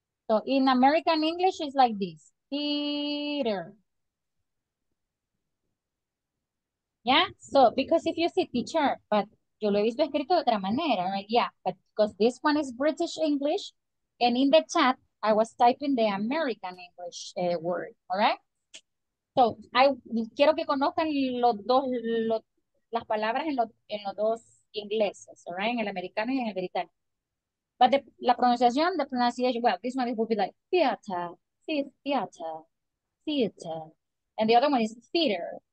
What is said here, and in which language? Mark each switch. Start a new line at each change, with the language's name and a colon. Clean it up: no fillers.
English: So in American English, it's like this. Theater. Yeah, so because if you see teacher, but
Spanish: yo lo he visto escrito de otra manera,
English: right? Yeah, but because this one is British English, and in the chat, I was typing the American English word, all right? So I
Spanish: quiero que conozcan las palabras en los dos ingleses,
English: all right?
Spanish: En el americano y en el británico.
English: But the pronunciation, well, this one would be like theater, and the other one is theater.